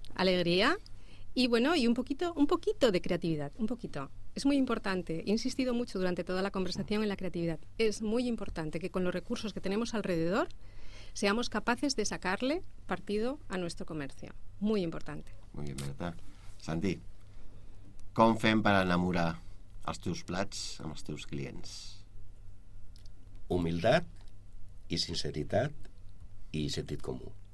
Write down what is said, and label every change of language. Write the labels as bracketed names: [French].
[Spanish] alegría y bueno, y un poquito de creatividad, un poquito. Es muy importante, he insistido mucho durante toda la conversación en la creatividad. Es muy importante que con los recursos que tenemos alrededor seamos capaces de sacarle partido a nuestro comercio. Muy importante. Muy bien, ¿verdad? [Catalan] Santi, ¿com fem per enamorar els teus plats amb els teus clients? [Spanish] Humildad y sinceridad y [Catalan] sentit comú.